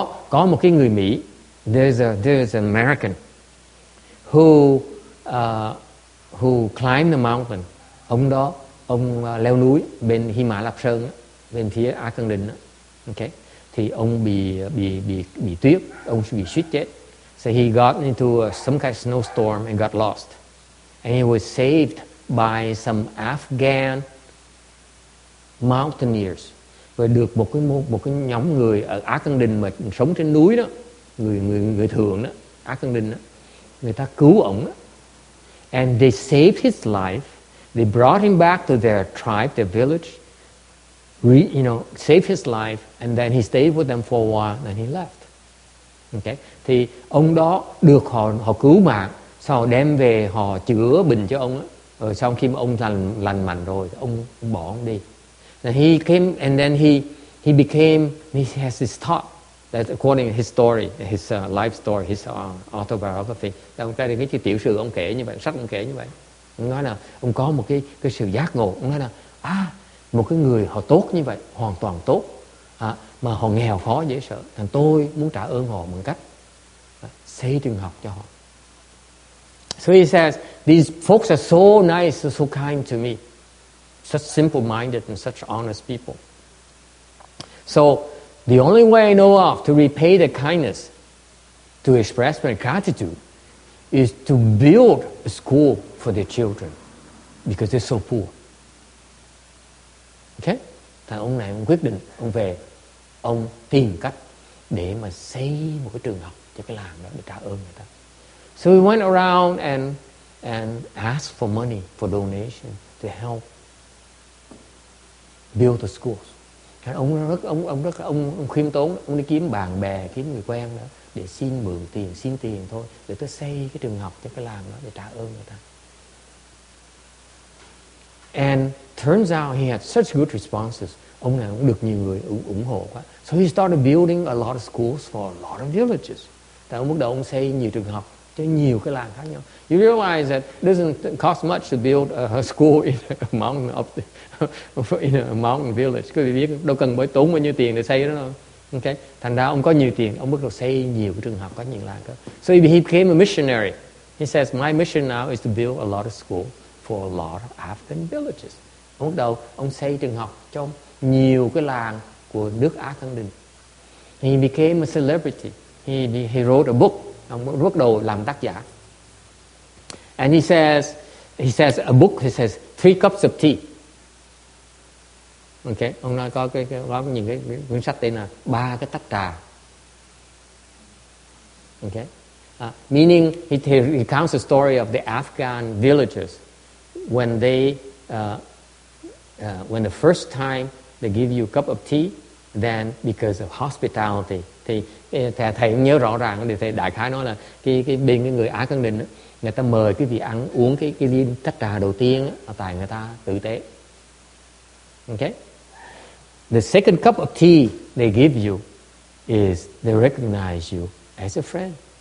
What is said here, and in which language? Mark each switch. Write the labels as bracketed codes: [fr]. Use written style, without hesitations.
[vi] có một cái người Mỹ, [en] there's an American who climbed the mountain. [vi] Ông đó, ông leo núi bên Hy Mã Lạp Sơn, bên phía Á Khẳng Định đó. Ok, thì ông bị tuyết, ông bị suýt chết. [en] So he got into some kind of snowstorm and got lost. And he was saved by some Afghan mountaineers. [vi] Và được một cái nhóm người ở Á Khẳng Định mà sống trên núi đó, người thường đó, Á Khẳng Định đó, người ta cứu ông đó. [en] And they saved his life. They brought him back to their tribe, their village, saved his life, and then he stayed with them for a while, and then he left. Okay? [vi] Thì ông đó được họ cứu mạng, sau đem về họ chữa bệnh cho ông đó. Rồi sau khi mà ông lành mạnh rồi, ông bỏ ông đi. [en] And he came, and then he became, he has this thought, that according to his story, his life story, his autobiography. [vi] Ông ta đi cái tiểu sử ông kể như vậy, sách ông kể như vậy. Ông nói là ông có một cái sự giác ngộ. Ông nói là một cái người họ tốt như vậy, hoàn toàn tốt, mà họ nghèo khó dễ sợ, thành tôi muốn trả ơn họ bằng cách xây trường học cho họ. [en] So he says, these folks are so nice, so kind to me, such simple minded and such honest people. So the only way I know of to repay the kindness, to express my gratitude, is to build a school for their children, because they're so poor. Okay? [vi] Thì ông này ông quyết định, ông về, ông tìm cách để mà xây một cái trường học cho cái làng đó để trả ơn người ta. [en] So he went around and asked for money, for donation, to help build the schools. [vi] Ông khiêm tốn, ông đi kiếm bạn bè, kiếm người quen đó, để xin mượn tiền, xin tiền thôi, để tôi xây cái trường học cho cái làng đó để trả ơn người ta. [en] And turns out he had such good responses. [vi] Ông này cũng được nhiều người ủng hộ quá. [en] So he started building a lot of schools for a lot of villages. [vi] Tại ông bắt đầu ông xây nhiều trường học cho nhiều cái làng khác nhau. [en] You realize that doesn't cost much to build a school in a mountain of the, in a mountain village. [vi] Các vị biết đâu cần bởi tốn bao nhiêu tiền để xây đó đâu. Okay. Thành ra ông có nhiều tiền, ông bắt đầu xây nhiều trường học có nhiều làng. [en] So he became a missionary. He says, my mission now is to build a lot of school for a lot of African villages. [vi] Ông bắt đầu ông xây trường học trong nhiều cái làng của nước Á Khẳng Định. [en] He became a celebrity. He wrote a book. [vi] Ông bắt đầu làm tác giả. [en] And he says a book. He says 3 cups of tea. [vi] Ok, ông nói có những cái quyển sách tên là 3 cái tách trà. [en] Ok, meaning he recounts the story of the Afghan villagers when they when the first time they give you a cup of tea, then because of hospitality. [vi] Thì thầy cũng nhớ rõ ràng, thì thầy đại khái nói là cái bên cái người Á Khẳng Định, người ta mời cái vị ăn uống cái ly tách trà đầu tiên tại người ta tử tế. [en] Ok, the second cup of tea they give you is they recognize you as a friend.